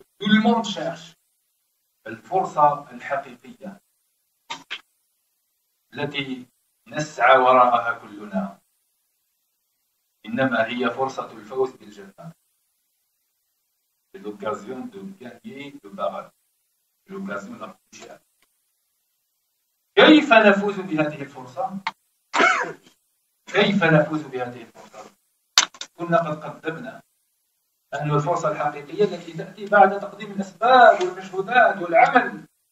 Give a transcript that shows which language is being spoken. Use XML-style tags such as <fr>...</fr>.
<fr>Tout le monde cherche</fr> <ar>الفرصة الحقيقية التي نسعى وراءها كلنا. إنما هي فرصة الفوز بالجنة.</ar> <fr>C'est l'occasion de gagner le paradis. L'occasion la plus chère.</fr> <ar>كيف نفوز بهذه الفرصة؟ كيف نفوز بهذه الفرصة؟ كنا قد قدمنا أن الفرصة الحقيقية التي تأتي بعد تقديم الأسباب والمجهودات والعمل.</ar>